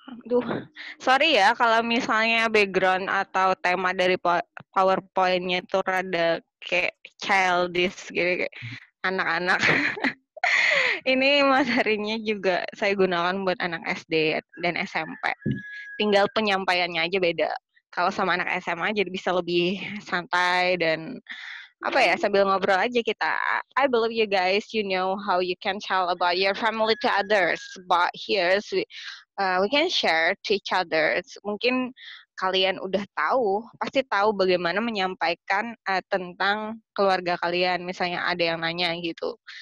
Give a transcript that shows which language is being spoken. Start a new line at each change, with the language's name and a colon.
Indonesian: Duh, sorry ya kalau misalnya background atau tema dari PowerPoint-nya itu rada kayak childish gitu, kayak anak-anak. Ini materinya juga saya gunakan buat anak SD dan SMP. Tinggal penyampaiannya aja beda. Kalau sama anak SMA jadi bisa lebih santai dan apa ya, sambil ngobrol aja kita.
English: I believe you guys, you know how you can tell about your family to others. But here we can share to each other.
Indonesian: Mungkin kalian udah tahu, pasti tahu bagaimana menyampaikan tentang keluarga kalian, misalnya ada yang nanya gitu.